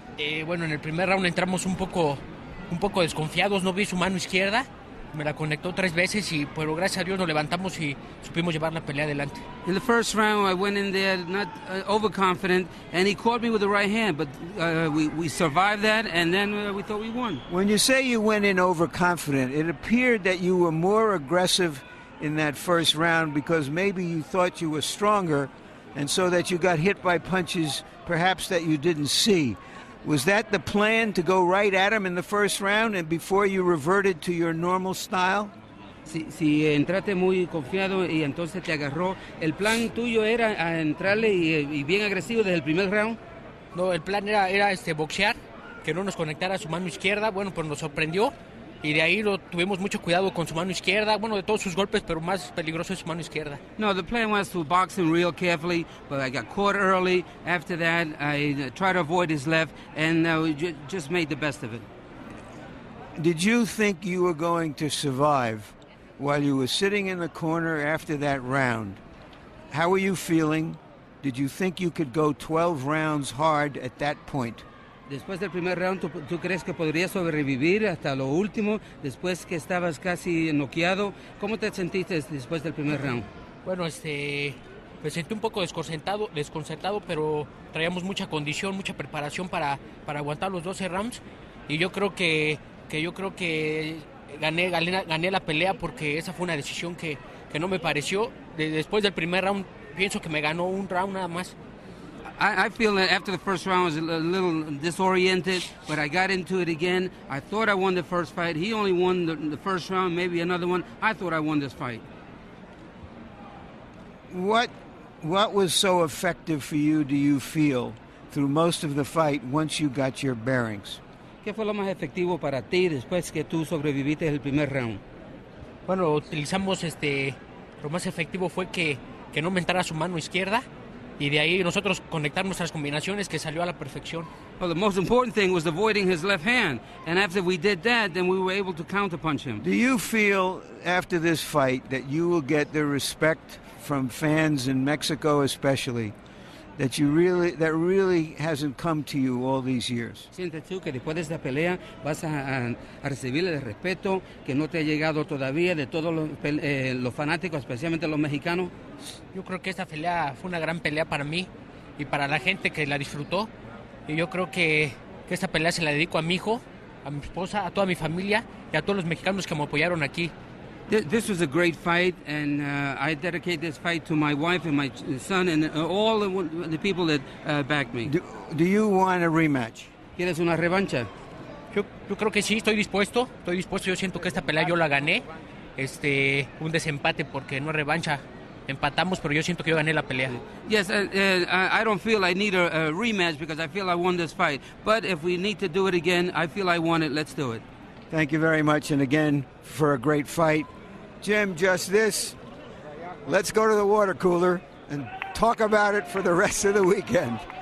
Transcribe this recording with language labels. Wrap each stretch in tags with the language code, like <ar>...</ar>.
<es>En el primer round entramos un poco desconfiados. No vi su mano izquierda. Me la conectó tres veces y, pero gracias a Dios, nos levantamos y supimos llevar la pelea adelante.</es> <en>In the first round, I went in there not overconfident, and he caught me with the right hand, but we survived that, and then we thought we won. When you say you went in overconfident, it appeared that you were more aggressive in that first round because maybe you thought you were stronger, and so that you got hit by punches perhaps that you didn't see. Was that the plan, to go right at him in the first round and before you reverted to your normal style?</en> <es>Si entraste muy confiado y entonces te agarró, el plan tuyo era entrarle y bien agresivo desde el primer round? No, el plan era boxear, que no nos conectara su mano izquierda. Bueno, pues nos sorprendió y de ahí lo tuvimos mucho cuidado con su mano izquierda. Bueno, de todos sus golpes, pero más peligroso es su mano izquierda.</es> <en>No, the plan was to box him real carefully, but I got caught early. After that, I tried to avoid his left, and just made the best of it. Did you think you were going to survive while you were sitting in the corner after that round? How were you feeling? Did you think you could go 12 rounds hard at that point?</en> <es>Después del primer round, ¿tú crees que podrías sobrevivir hasta lo último, después que estabas casi noqueado? ¿Cómo te sentiste después del primer round? Bueno, me sentí un poco desconcertado, pero traíamos mucha condición, mucha preparación para aguantar los 12 rounds. Y yo creo que gané la pelea porque esa fue una decisión que no me pareció. Después del primer round, pienso que me ganó un round nada más.</es> <en>I feel that after the first round I was a little disoriented, but I got into it again. I thought I won the first fight. He only won the first round, maybe another one. I thought I won this fight. What was so effective for you, do you feel, through most of the fight once you got your bearings?</en> <es>¿Qué fue lo más efectivo para ti después que tú sobreviviste el primer round? Bueno, utilizamos lo más efectivo fue que no me entrara su mano izquierda. Y de ahí nosotros conectamos las combinaciones que salió a la perfección.</es> <en>Well, the most important thing was avoiding his left hand. And after we did that, then we were able to counterpunch him. Do you feel after this fight that you will get the respect from fans in Mexico especially that really hasn't come to you all these years?</en> <es>¿Sientes tú que después de esta pelea vas a recibir el respeto que no te ha llegado todavía de todos los fanáticos, especialmente los mexicanos? Yo creo que esta pelea fue una gran pelea para mí y para la gente que la disfrutó. Y yo creo que esta pelea se la dedico a mi hijo, a mi esposa, a toda mi familia y a todos los mexicanos que me apoyaron aquí.</es> <en>This was a great fight, and I dedicate this fight to my wife and my son and all the people that backed me. Do you want a rematch?</en> <es>¿Quieres una revancha? Yo creo que sí, estoy dispuesto. Yo siento que esta pelea yo la gané. Un desempate porque no revancha. Empatamos, pero yo siento que yo gané la pelea.</es> <en>Yes, I don't feel I need a rematch because I feel I won this fight. But if we need to do it again, I feel I won it. Let's do it. Thank you very much, and again, for a great fight. Jim, just this. Let's go to the water cooler and talk about it for the rest of the weekend.</en>